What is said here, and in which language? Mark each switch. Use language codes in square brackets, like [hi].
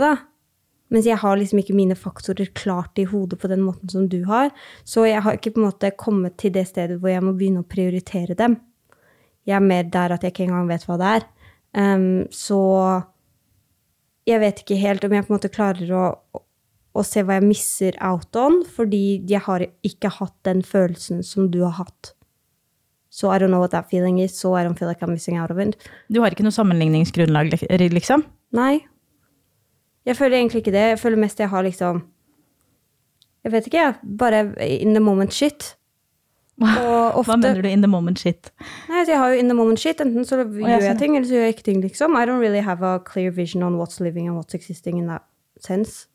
[no] Da. Mens jeg har liksom ikke mine faktorer klart i hodet på den måten som du har, så jeg har ikke på en måte kommet til det stedet hvor jeg må begynne å prioritere dem. Jeg er mer der at jeg ikke engang vet hva det er. Så jeg vet ikke helt om jeg på en måte klarer å se hva jeg misser out on, fordi jeg har ikke hatt den følelsen som du har hatt. Så [en] I don't know what that feeling is, so I don't feel like I'm missing out of it. [no] Du har ikke noe sammenligningsgrunnlag, liksom? Nei. Jeg føler egentlig ikke det. Jeg føler mest jeg har liksom, jeg vet ikke, bare [en] in the moment shit. [no] Ofte, hva mener du [en] in the moment shit? [no] Nei, jeg har jo [en] in the moment shit, [no] enten så gjør jeg ting eller så gjør jeg ikke ting liksom. [en] I don't really have a clear vision on what's living and what's existing in that sense.